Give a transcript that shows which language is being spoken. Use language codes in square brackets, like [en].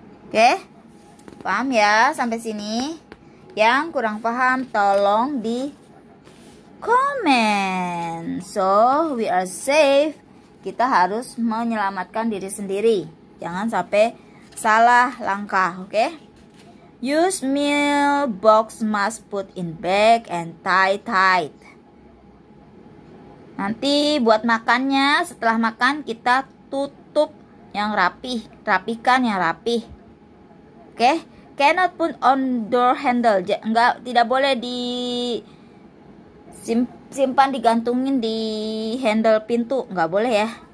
[id] Oke? Okay? Paham ya sampai sini? Yang kurang paham tolong di komen. [en] So, we are safe. [id] Kita harus menyelamatkan diri sendiri. Jangan sampai salah langkah, oke? [en] Okay? Use meal box must put in bag and tie tight. [id] Nanti buat makannya setelah makan kita tutup yang rapi, rapikan yang rapi. Oke, [en] okay? Cannot put on door handle. [id] Tidak boleh disimpan digantungin di handle pintu, enggak boleh ya.